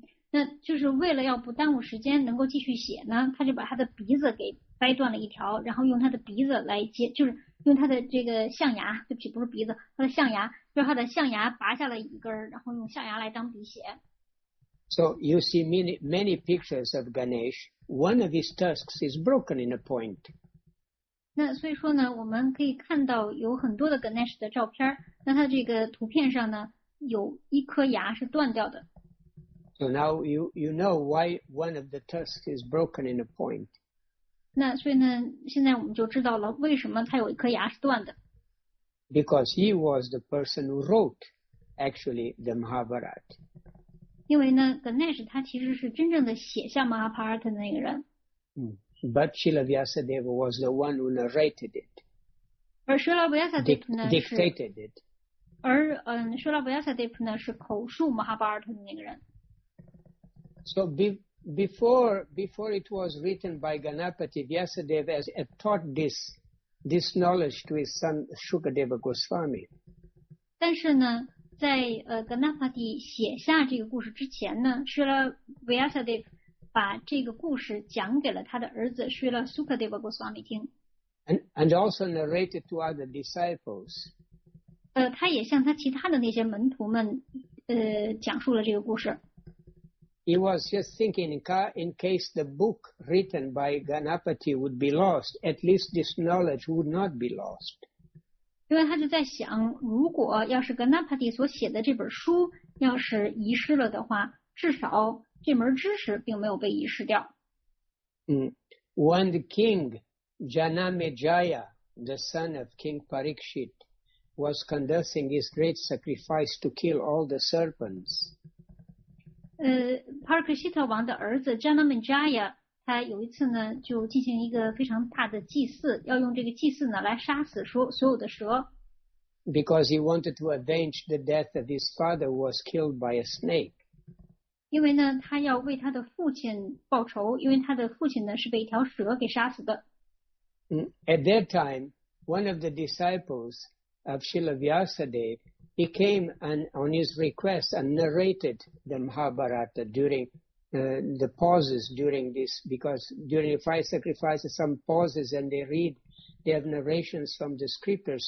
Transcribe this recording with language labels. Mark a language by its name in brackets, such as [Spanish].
[Chinese] 那就是为了要不耽误时间能够继续写呢，他就把他的鼻子给掰断了一条，然后用他的鼻子来接，就是用他的这个象牙，对不起，不是鼻子，他的象牙，就是他的象牙拔下了一根，然后用象牙来当笔写。 [English] So you see many, many pictures of Ganesh. One of his tusks is broken in a point. [Chinese] 那所以说呢，我们可以看到有很多的 Ganesh 的照片，那他这个图片上呢有一颗牙是断掉的。 [English] So now you know why one of the tusks is broken in a point. [Chinese] 那所以呢，现在我们就知道了为什么他有一颗牙是断的。 [English] Because he was the person who wrote actually the Mahabharata. [Chinese] 因为呢 Ganesh 他其实是真正的写下 Mahabharata 的那个人。 [English] But Srila Vyasadeva was the one who narrated it. [Chinese] 而 Srila Vyasadeva 呢 [English] dictated it. [Chinese] 而 Srila Vyasadeva 呢是口述 Mahabharata 的那个人。 [English] So before it was written by Ganapati, Vyasadeva has taught this knowledge to his son Shukadeva Goswami. [Chinese] 但是呢，在Ganapati 写下这个故事之前呢 ，Srila Vyasadeva把这个故事讲给了他的儿子 Srila Sukadeva Goswami 听。 [English] And also narrated to other disciples. [Chinese] 他也向他其他的那些门徒们讲述了这个故事。 [English] He was just thinking in case the book written by Ganapati would be lost, at least this knowledge would not be lost. [Chinese] 因为他就在想，如果要是 Ganapati 所写的这本书要是遗失了的话，至少这门知识并没有被遗失掉。 [English] When the king Janamejaya, the son of King Parikshit, was conducting his great sacrifice to kill all the serpents. [Chinese] Parikshita 王的儿子 Janamejaya, 他有一次呢就进行一个非常大的祭祀，要用这个祭祀呢来杀死所有的蛇。 [English] Because he wanted to avenge the death of his father, who was killed by a snake. [Chinese] 因为呢，他要为他的父亲报仇，因为他的父亲呢是被一条蛇给杀死的。 [English] At that time, one of the disciples of Srila Vyasadeva He came and on his request and narrated the Mahabharata during the pauses during this, because during the five sacrifices, some pauses and they read their narrations from the scriptures.